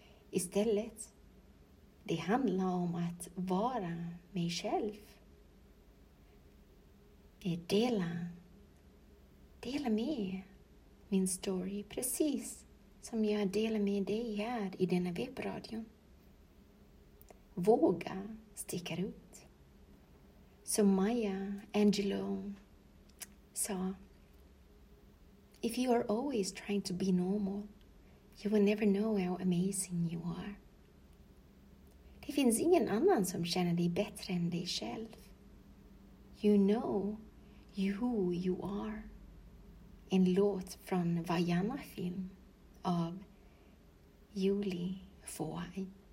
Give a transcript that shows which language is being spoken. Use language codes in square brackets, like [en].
[sv] Istället, det handlar om att vara mig själv. Jag delar med min story precis som jag delar med dig här i denna webbradio. Våga sticka ut. Som Maya Angelou sa, [en] if you are always trying to be normal, you will never know how amazing you are. [sv] Det finns ingen annan som känner dig bättre än dig själv. [en] You know who you are. [sv] En låt från Vaiana-film av Juli Fuai.